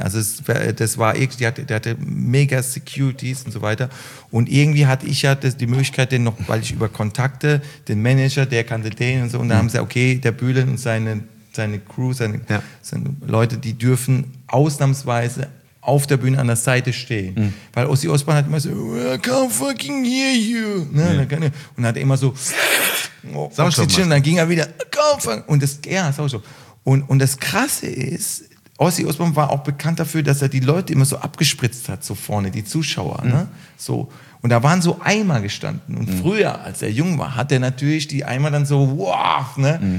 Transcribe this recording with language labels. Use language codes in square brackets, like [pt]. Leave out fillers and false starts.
[de] Also das war irgendwie, der hatte mega Securities und so weiter. Und irgendwie hatte ich ja die Möglichkeit, den noch, weil ich über Kontakte, den Manager, der kannte den und so, und da haben sie, okay, der Bühlen und seine Crew, seine Leute, die dürfen ausnahmsweise auf der Bühne an der Seite stehen. Weil Ozzy Osbourne hat immer so, [en] I can't fucking hear you. [de] Ne? Ja. Und hat immer so, und dann ging er wieder, Und das Krasse ist, Ozzy Osbourne war auch bekannt dafür, dass er die Leute immer so abgespritzt hat, so vorne, die Zuschauer. Ne? So. Und da waren so Eimer gestanden. Und früher, als er jung war, hat er natürlich die Eimer dann so, wow, ne?